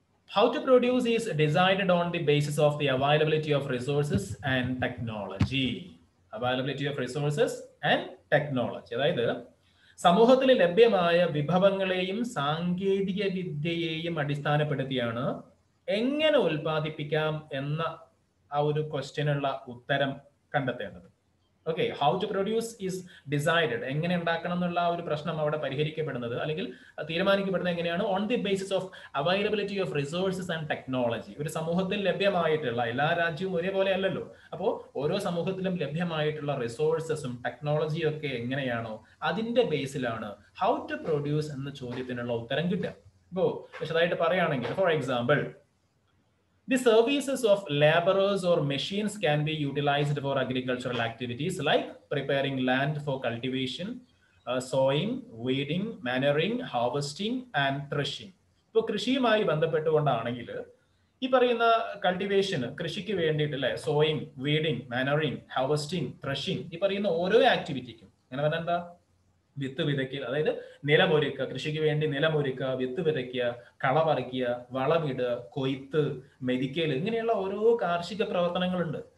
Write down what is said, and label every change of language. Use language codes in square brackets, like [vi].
[en] How to produce is decided on the basis of the availability of resources and technology. Availability of resources and technology. [ml] അതായത് സമൂഹത്തിൽ ലഭ്യമായ വിഭവങ്ങളെയും സാങ്കേതിക വിദ്യയെയും അടിസ്ഥാനപ്പെടുത്തിയാണ് എങ്ങനെ ഉൽപ്പാദിപ്പിക്കാം എന്ന ആ ഒരു ക്വസ്റ്റ്യനുള്ള ഉത്തരം കണ്ടെത്തേണ്ടത്. [en] okay, how to produce is decided, [ml] എങ്ങനെ ഉണ്ടാക്കണം എന്നുള്ള ഒരു പ്രശ്നം അവിടെ പരിഹരിക്കപ്പെടുന്നത് അല്ലെങ്കിൽ തീരുമാനിക്കപ്പെടുന്നത് എങ്ങനെയാണ്, [en] On the basis of availability of resources and technology. [ml] ഒരു സമൂഹത്തിൽ ലഭ്യമായിട്ടുള്ള, എല്ലാ രാജ്യവും ഒരേപോലെ അല്ലല്ലോ, അപ്പോൾ ഓരോ സമൂഹത്തിലും ലഭ്യമായിട്ടുള്ള റിസോഴ്സസും ടെക്നോളജിയും ഒക്കെ എങ്ങനെയാണോ അതിന്റെ ബേസിലാണ് [en] how to produce [ml] എന്ന ചോദ്യത്തിനുള്ള ഉത്തരം കിട്ടുക. ഇപ്പോൾ വിശദമായിട്ട് പറയുകയാണെങ്കിൽ, [en] For example, The services of laborers or machines can be utilized for agricultural activities like preparing land for cultivation, sowing, weeding, manuring, harvesting and threshing. [ml] ഇപ്പൊ കൃഷിയുമായി ബന്ധപ്പെട്ടുകൊണ്ടാണെങ്കിൽ ഈ പറയുന്ന കൾട്ടിവേഷന്, കൃഷിക്ക് വേണ്ടിയിട്ടല്ലേ, സോയിങ്, വീഡിങ്, മാനറിങ്, ഹാർവസ്റ്റിംഗ്, ത്രഷിങ്, ഈ പറയുന്ന ഓരോ ആക്ടിവിറ്റിക്കും, അങ്ങനെ പറഞ്ഞ എന്താ, വിത്ത് വിതയ്ക്കുക, അതായത് നിലമൊരുക്കുക, കൃഷിക്ക് വേണ്ടി നിലമൊരുക്കുക, വിത്ത് വിതയ്ക്കുക, കളപറിക്കുക, വളമിടുക, കൊയ്ത്ത്, മെതിക്കൽ, ഇങ്ങനെയുള്ള ഓരോ കാർഷിക പ്രവർത്തനങ്ങളുണ്ട്.